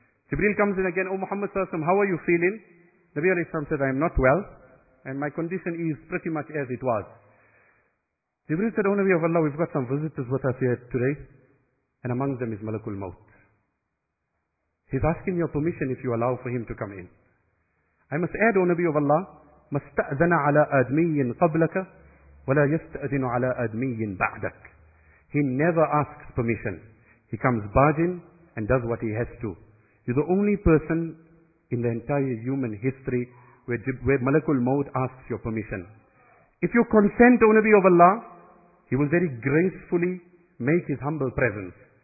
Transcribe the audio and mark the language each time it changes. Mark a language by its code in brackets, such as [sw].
[en] Jibreel comes in again, O Muhammad sallallahu alayhi wa sallam, how are you feeling? Nabi alayhi sallam said, I am not well, and my condition is pretty much as it was. Jibreel said, "Oh, Nabi of Allah, we've got some visitors with us here today, and among them is Malakul Maut. He's asking your permission if you allow for him to come in. I must add, O Nabi of Allah, [ar] مَسْتَأْذَنَ عَلَىٰ أَدْمِيٍّ قَبْلَكَ وَلَا يَسْتَأْذِنُ عَلَىٰ أَدْمِيٍّ بَعْدَكَ." [en] He never asks permission. He comes barging and does what he has to. You're the only person in the entire human history where Malakul Maut asks your permission. If you consent, O Nabi of Allah, he will very gracefully make his humble presence.